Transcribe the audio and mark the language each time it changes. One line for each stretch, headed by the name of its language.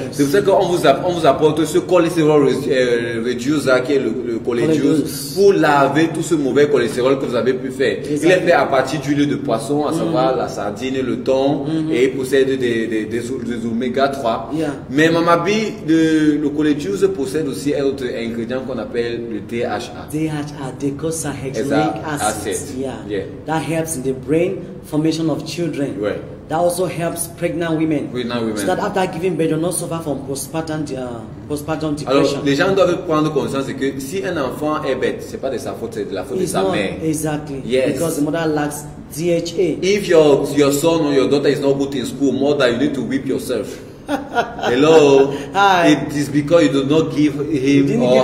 French: C'est pour ça qu'on vous apporte ce cholestérol reducer qui est le collegiose pour laver tout ce mauvais cholestérol que vous avez pu faire.
English: Exactly.
French: Il est fait à partir d'huile de poisson, à savoir la sardine, le thon, et il possède des oméga 3.
English: Yeah.
French: Mais Mamabi, le collegiose possède aussi un autre ingrédient qu'on appelle le DHA.
English: DHA, decosahexaenoic acid. Yeah. That helps in the brain formation of children. Right. That also helps pregnant women. Pregnant women. So that after giving birth, they don't suffer from postpartum depression.
French: Alors, les gens doivent prendre conscience que si un enfant est bête, c'est pas de sa faute, c'est de la faute
English: it's
French: de sa mère.
English: Exactly. Yes. Because the mother lacks DHA. If your son or your daughter is not good in school, mother, you need to whip yourself. Hello. Hi. It is because you do not give him or